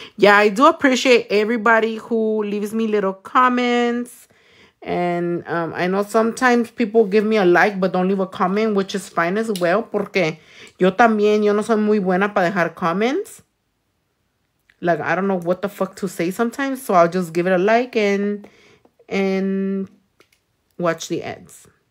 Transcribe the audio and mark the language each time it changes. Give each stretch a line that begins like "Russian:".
English: Yeah, I do appreciate everybody who leaves me little comments. And I know sometimes people give me a like, but don't leave a comment, which is fine as well.
Spanish: Porque yo también, yo no soy muy buena para dejar comments.
English: Like, I don't know what the fuck to say sometimes. So I'll just give it a like and watch the ads.